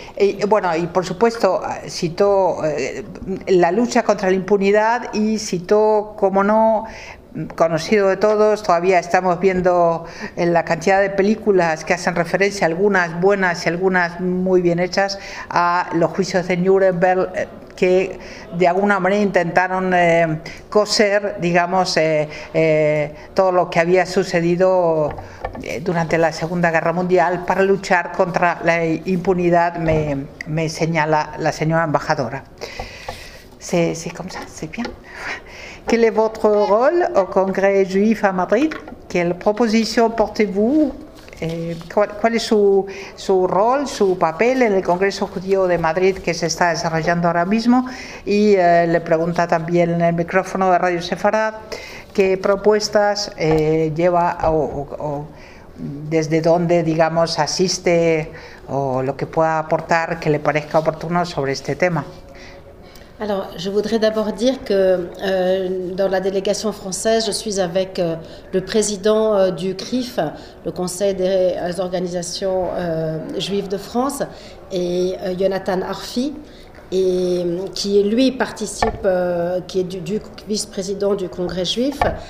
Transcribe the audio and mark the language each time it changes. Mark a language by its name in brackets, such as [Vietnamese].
[Spanish] Y, bueno, y por supuesto citó la lucha contra la impunidad y citó, como no, conocido de todos, todavía estamos viendo en la cantidad de películas que hacen referencia, algunas buenas y algunas muy bien hechas, a los juicios de Nuremberg, que de alguna manera intentaron coser, digamos, todo lo que había sucedido durante la Segunda Guerra Mundial para luchar contra la impunidad, me señala la señora embajadora. [French] ¿C'est comme ça? ¿C'est bien? ¿Quel est votre rôle au Congrès juif à Madrid? ¿Quelle proposition portez-vous? [Spanish] ¿Cuál es su rol, su papel en el Congreso Judío de Madrid que se está desarrollando ahora mismo? Y le pregunta también en el micrófono de Radio Sefarad qué propuestas lleva o desde dónde, digamos, asiste o lo que pueda aportar que le parezca oportuno sobre este tema. [French] Alors, je voudrais d'abord dire que dans la délégation française, je suis avec le président du CRIF, le Conseil des organisations juives de France, et Jonathan Arfi, et qui lui participe, qui est du vice-président du Congrès juif.